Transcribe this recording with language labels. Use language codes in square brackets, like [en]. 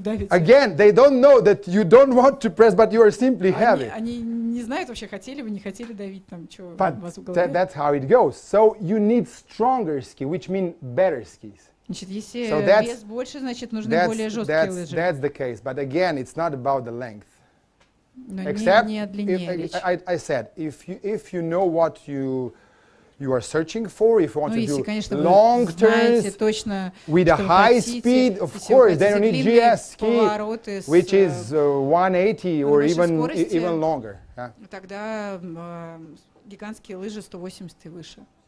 [en] Again, they don't know that you don't want to press, but you are simply heavy. But that's how it goes. So you need stronger ski, which means better skis. [ru] Значит, если вес больше, значит, нужны более жесткие лыжи. [en] That's the case. But again, it's not about the length. Except, I said, if you know what you are searching for, if you want to do long turns with a high speed, of course, then you need GS ski, which is 180 or even longer. [ru] Тогда гигантские лыжи 180 и выше.